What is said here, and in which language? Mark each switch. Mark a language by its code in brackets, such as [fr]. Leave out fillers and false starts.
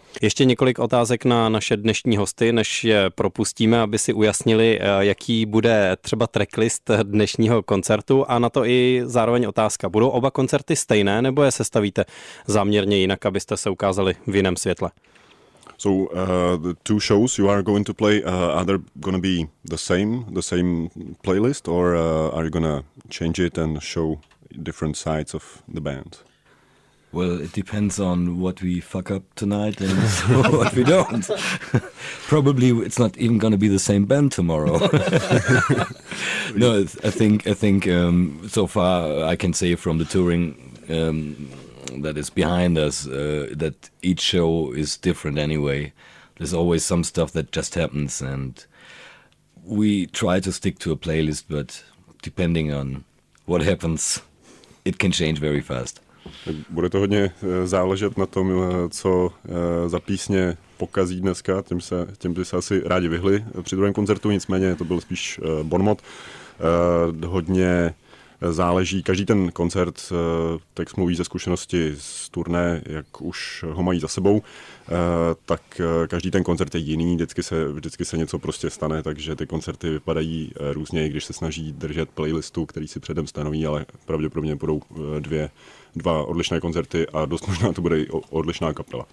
[cs] Ještě několik otázek na naše dnešní hosty, než je propustíme, aby si ujasnili, jaký bude třeba tracklist dnešního koncertu, a na to i zároveň otázka. Budou oba koncerty stejné, nebo je sestavíte záměrně jinak, abyste se ukázali v jiném světle? [en] So the 2 shows you are going to play, are they going to be the same playlist, or are you going to change it and show different sides of the band? Well, it depends on what we fuck up tonight and what we don't. Probably it's not even going to be the same band tomorrow. No, I think so far I can say from the touring that is behind us that each show is different anyway. There's always some stuff that just happens, and we try to stick to a playlist, but depending on what happens. It can change very fast. [cs] Bude to hodně záležet na tom, co za písně pokazí dneska, tím by se asi rádi vyhli při druhém koncertu, nicméně to byl spíš bonmot. Hodně záleží, každý ten koncert, tak mluví ze zkušenosti z turné, jak už ho mají za sebou, tak každý ten koncert je jiný, vždycky se něco prostě stane, takže ty koncerty vypadají různě, když se snaží držet playlistu, který si předem stanoví, ale pravděpodobně budou dva odlišné koncerty a dost možná to bude i odlišná kapela.